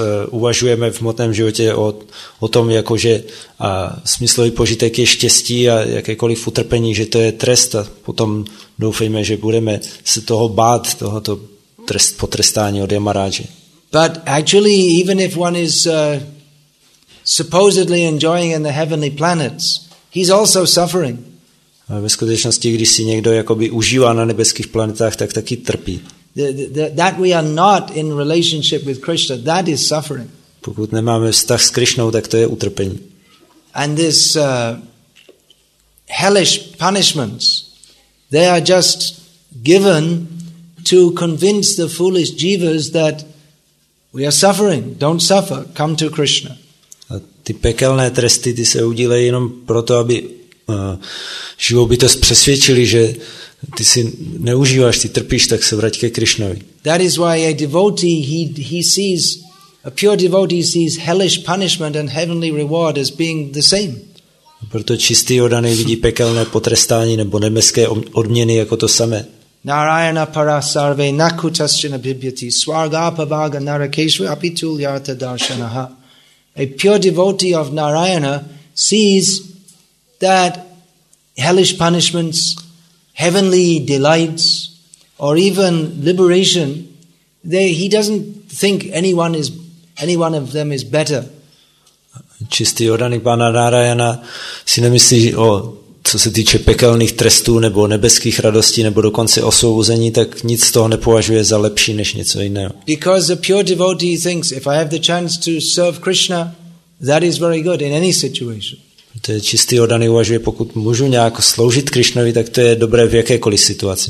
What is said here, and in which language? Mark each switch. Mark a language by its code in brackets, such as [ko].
[cs] Uvažujeme v hmotném životě o tom, jakože smyslový požitek je štěstí a jakékoliv utrpení, že to je trest a potom doufejme, že budeme se toho bát, tohoto trest, potrestání od Yamaráže. [en] But actually, even if one is supposedly enjoying in the heavenly planets, he's also suffering. [cs] A ve skutečnosti, když si někdo jakoby užívá na nebeských planetách, tak taky trpí. [en] That we are not in relationship with Krishna, that is suffering. [cs] Pokud nemáme vztah s Krišnou, tak to je utrpení. [en] And this hellish punishments, they are just given to convince the foolish jivas that we are suffering, don't suffer, come to Krishna. [cs] A ty pekelné tresty, ty se udílejí jenom proto, aby živobytost přesvědčili, že ty si neužíváš, ty trpíš, tak se vrať ke Krišnovi. [en] That is why a devotee, a pure devotee sees hellish punishment and heavenly reward as being the same. [cs] Proto čistý oddaný vidí pekelné potrestání nebo nemeské odměny jako to samé. [sa] Narayana para sarve nakutaschina bibhyati swarga apavaga narakeshu apituliyata darshanaha. [en] A pure devotee of Narayana sees that hellish punishments, heavenly delights, or even liberation, he doesn't think anyone of them is better. [cs] Čistý oddaný pána Narayana si nemyslí, co se týče pekelných trestů nebo nebeských radostí nebo dokonce osvobození, tak nic z toho nepovažuje za lepší než něco jiného. [en] Because a pure devotee thinks, if I have the chance to serve Krishna, that is very good in any situation. [cs] To je čistý oddaný uvažuje, pokud můžu nějak sloužit Krišnovi, tak to je dobré v jakékoliv situaci.